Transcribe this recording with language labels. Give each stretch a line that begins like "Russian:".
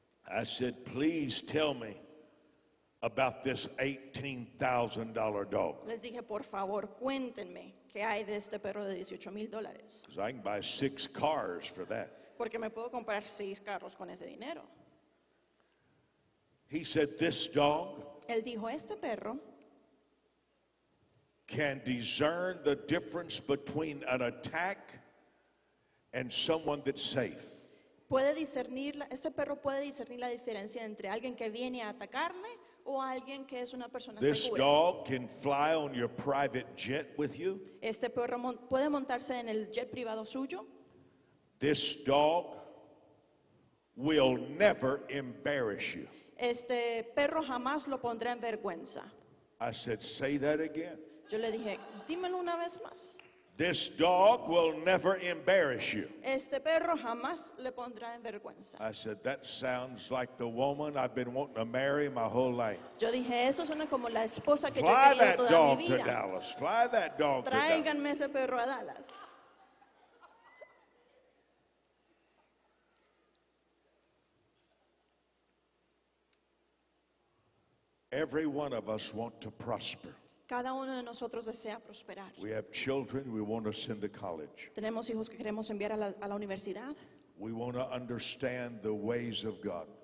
English: I said, please tell me about this $18,000 dog.
Spanish: Les dije, por favor, cuéntenme qué hay de este perro de $18,000.
English: Because I can buy 6 cars for that.
Spanish: Porque me puedo comprar 6 carros con ese dinero.
English: He said, this dog.
Spanish: Él dijo, este perro.
English: Can discern the difference between an attack and someone that's safe.
Spanish: Puede discernir, este perro puede discernir la diferencia entre alguien que viene a atacarle o alguien que es una persona
English: this This dog can fly on your private jet with you.
Spanish: Este perro puede montarse en el jet privado suyo.
English: This dog will never embarrass you.
Spanish: Este perro jamás lo pondrá en vergüenza.
English: I said, say that again.
Spanish: Yo le dije, dímelo una vez más.
English: This dog will never embarrass you.
Spanish: Este perro jamás le pondrá en vergüenza.
English: I said, that sounds like the woman I've been wanting to marry my whole life.
Spanish: Yo dije, eso suena como la esposa que yo quería toda mi vida.
English: Fly that dog to Dallas. Fly that dog to Dallas.
Spanish: Tráiganme ese perro a Dallas.
English: Every one of us want to prosper.
Spanish: Cada uno de nosotros desea prosperar.
English: We have children we want to send to college.
Spanish: Tenemos hijos que queremos enviar a la universidad.
English: We want to understand the ways of God.